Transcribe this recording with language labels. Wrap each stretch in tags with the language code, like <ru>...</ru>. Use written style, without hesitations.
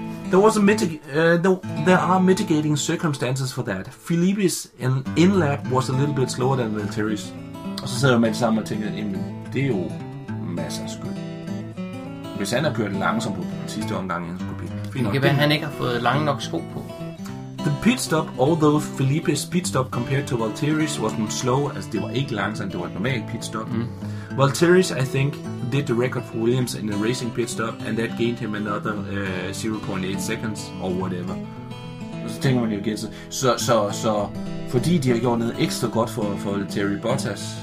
<en>There are mitigating circumstances for that. Philippe's in-lap was a little bit slower than Valtteri's.</en> <da>Og så sidder man sammen og tænker, jamen, det er jo Massas skyld. Hvis han har kørt langsomt på den sidste omgang, han skulle blive. Det kan være, han ikke har fået lange nok sko på.</da> <en>The pit stop, although Felipe's pit stop compared to Valtteri's was not slow,</en> <da>altså det var ikke langsomt, det var et normalt pit stop. Mm.</da> <en>Valtteri's, I think, did the record for Williams in a racing pit stop, and that gained him another 0.8 seconds, or whatever.</en> <da>Og så tænker man jo igen, så fordi de har gjort noget ekstra godt for Valtteri Bottas,</da>